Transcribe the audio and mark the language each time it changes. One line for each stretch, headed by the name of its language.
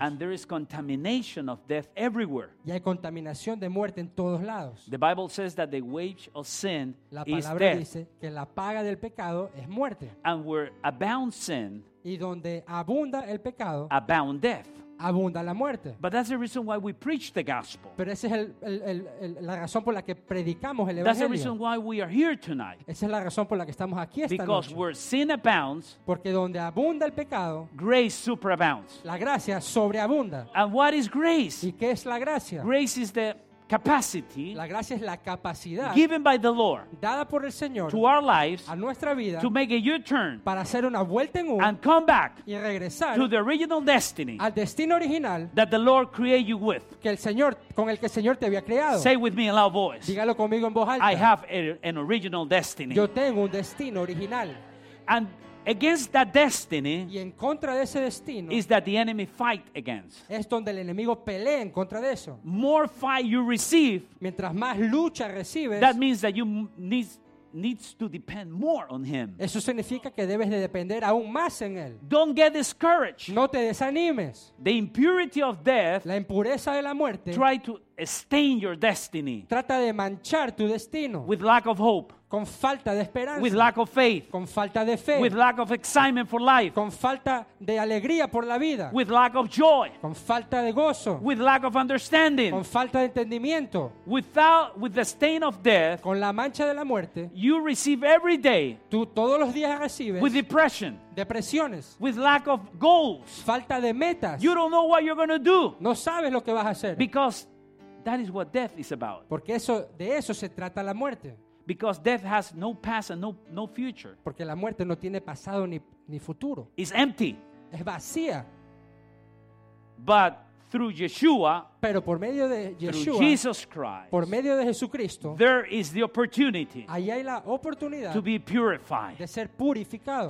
English: and there is contamination of death everywhere,
Spanish: y hay contaminación de muerte en todos lados.
English: The Bible says that the wage of sin is death.
Spanish: La palabra dice que la paga del pecado es muerte,
English: and where abounds sin,
Spanish: y donde abunda el pecado,
English: abound death.
Spanish: Abunda la muerte.
English: But that's the reason why we preach the gospel.
Spanish: Pero esa es la razón por la que predicamos el
English: that's
Spanish: evangelio.
English: That's the reason why we are here tonight.
Spanish: Esa es la razón por la que estamos aquí esta
English: Because
Spanish: noche.
English: Because where sin abounds,
Spanish: porque donde abunda el pecado,
English: grace superabounds.
Spanish: La gracia sobreabunda.
English: And what is grace?
Spanish: ¿Y qué es la gracia?
English: Grace is the capacity.
Spanish: La gracia es la capacidad
English: given by the Lord,
Spanish: dada por el Señor,
English: to our lives,
Spanish: a nuestra vida,
English: to make a U-turn,
Spanish: para hacer una vuelta en U,
English: and come back,
Spanish: y regresar,
English: to the original destiny,
Spanish: al destino original,
English: that the Lord created you with,
Spanish: que el Señor, con el que el Señor te había creado.
English: Say with me in loud voice.
Spanish: Dígalo conmigo en voz alta.
English: I have an original destiny.
Spanish: Yo tengo un destino original.
English: And against that destiny,
Spanish: y en contra de ese destino,
English: is that the enemy fight against.
Spanish: Es donde el enemigo pelea en contra de eso.
English: More fight you receive,
Spanish: mientras más lucha recibes,
English: that means that you needs to depend more on him.
Spanish: Eso significa que debes de depender aún más en él.
English: Don't get discouraged.
Spanish: No te desanimes.
English: The impurity of death,
Spanish: la impureza de la muerte,
English: try to stain your destiny.
Spanish: Trata de manchar tu destino.
English: With lack of hope.
Spanish: Con falta de esperanza.
English: With lack of faith.
Spanish: Con falta de fe.
English: With lack of excitement for life.
Spanish: Con falta de alegría por la vida.
English: With lack of joy.
Spanish: Con falta de gozo.
English: With lack of understanding.
Spanish: Con falta de entendimiento.
English: With the stain of death.
Spanish: Con la mancha de la muerte.
English: You receive every day.
Spanish: Tú todos los días recibes.
English: With depression.
Spanish: Depresiones.
English: With lack of goals.
Spanish: Falta de metas.
English: You don't know what you're going to do.
Spanish: No sabes lo que vas a hacer.
English: Because that is what death is about.
Spanish: Porque eso, de eso se trata la muerte.
English: Because death has no past and no future.
Spanish: Porque la muerte no tiene pasado ni futuro.
English: It's empty.
Spanish: es vacía.
English: But through Yeshua,
Spanish: pero por medio de Yeshua,
English: through Jesus Christ,
Spanish: por medio de Jesucristo,
English: there is the opportunity,
Spanish: ahí hay la oportunidad,
English: to be purified,
Spanish: de ser purificado.